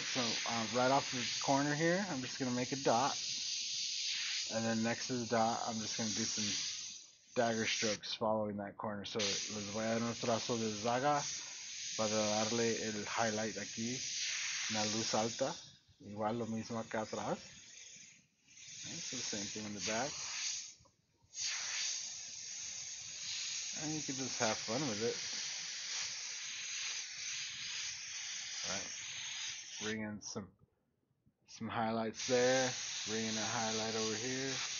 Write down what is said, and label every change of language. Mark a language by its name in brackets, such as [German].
[English] So right off the corner here, I'm just gonna make a dot, and then next to the dot, I'm just gonna do some dagger strokes following that corner. [Spanish] So les voy a dar un trazo de zaga para darle el highlight aquí, una luz alta, igual lo mismo acá atrás. [English] So the same thing in the back. And you can just have fun with it. Alright. Bring in some highlights there. Bring in a highlight over here.